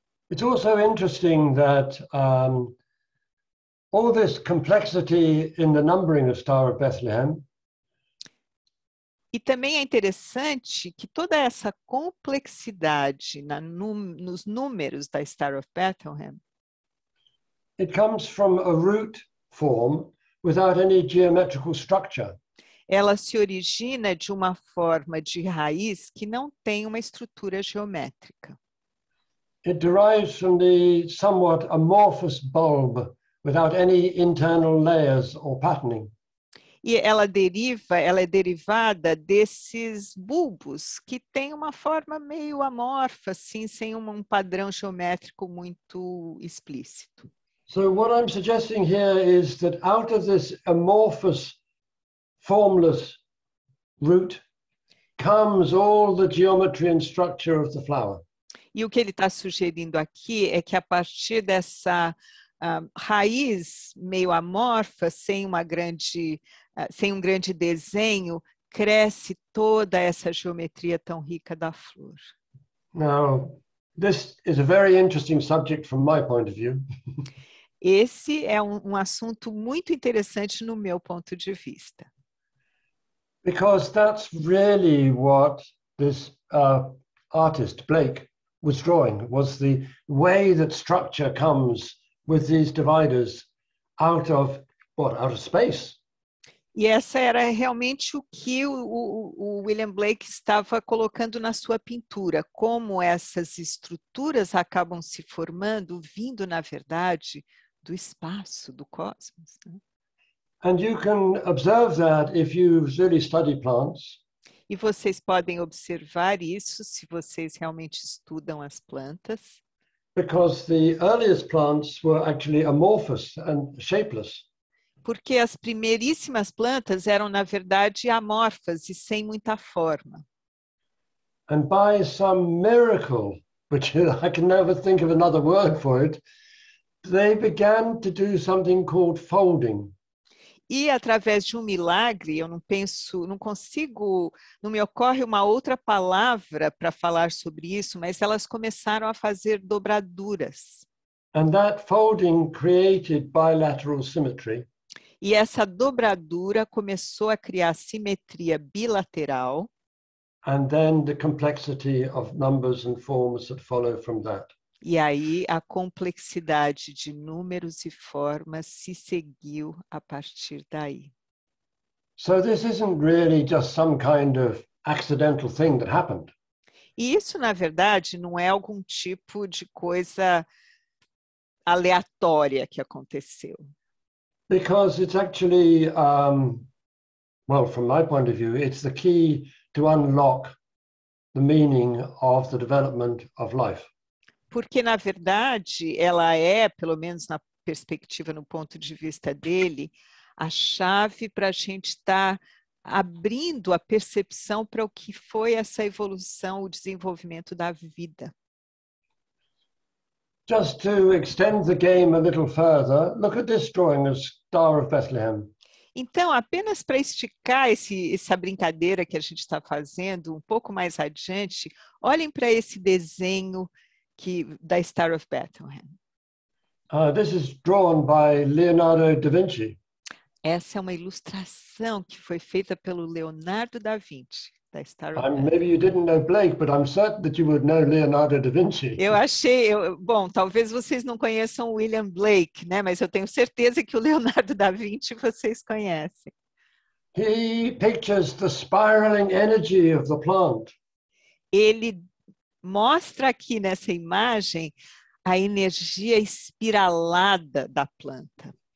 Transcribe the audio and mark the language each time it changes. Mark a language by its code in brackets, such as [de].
[en] It's also interesting that all this complexity in the numbering of Star of Bethlehem. [pt] E também é interessante que toda essa complexidade nos números da Star of Bethlehem. [en] It comes from a root form without any geometrical structure. [pt] Ela se origina de uma forma de raiz que não tem uma estrutura geométrica. [en] It derives from the somewhat amorphous bulb without any internal layers or patterning. [pt] E ela é derivada desses bulbos que têm uma forma meio amorfa, assim, sem um padrão geométrico muito explícito. [en] So what I'm suggesting here is that out of this amorphous, formless root comes all the geometry and structure of the flower. [pt] E o que ele está sugerindo aqui é que a partir dessa raiz meio amorfa, sem um grande desenho, cresce toda essa geometria tão rica da flor. [en] Now, this is a very interesting subject from my point of view. [pt] Esse é um assunto muito interessante no meu ponto de vista. [en] Because that's really what this artist, Blake, was drawing, was the way that structure comes with these dividers out of space. [pt] E essa era realmente o que o William Blake estava colocando na sua pintura, como essas estruturas acabam se formando, vindo, na verdade, do espaço, do cosmos. Né? [en] And you can observe that if you really study plants. [pt] E vocês podem observar isso se vocês realmente estudam as plantas. [en] Because the earliest plants were actually amorphous and shapeless. [pt] Porque as primeiríssimas plantas eram, na verdade, amorfas e sem muita forma. [en] And by some miracle, which I can never think of another word for it, they began to do something called folding. [pt] E através de um milagre, eu não penso, não consigo, não me ocorre uma outra palavra para falar sobre isso, mas elas começaram a fazer dobraduras. [en] And that folding created bilateral symmetry. [pt] E essa dobradura começou a criar simetria bilateral. [en] And then the complexity of numbers and forms that follow from that. [pt] E aí a complexidade de números e formas se seguiu a partir daí. [en] So this isn't really just some kind of accidental thing that happened. [pt] E isso, na verdade, não é algum tipo de coisa aleatória que aconteceu. [en] Because it's actually, from my point of view, it's the key to unlock the meaning of the development of life. [pt] Porque, na verdade, ela é, pelo menos na perspectiva, no ponto de vista dele, a chave para a gente estar abrindo a percepção para o que foi essa evolução, o desenvolvimento da vida. [en] Just to extend the game a little further, look at this drawing of Star of Bethlehem. [pt] Então, apenas para esticar essa brincadeira que a gente está fazendo um pouco mais adiante, olhem para esse desenho da Star of Bethlehem. [en] This is drawn by Leonardo da Vinci. [pt] Essa é uma ilustração que foi feita pelo Leonardo da Vinci. [en] Maybe you didn't know Blake, but I'm certain that you would know Leonardo da Vinci. [pt] Talvez vocês não conheçam William Blake, né? Mas eu tenho certeza que o Leonardo da Vinci vocês conhecem. [en] He pictures the spiraling energy of the plant. [pt] Ele mostra aqui nessa imagem a energia espiralada da planta.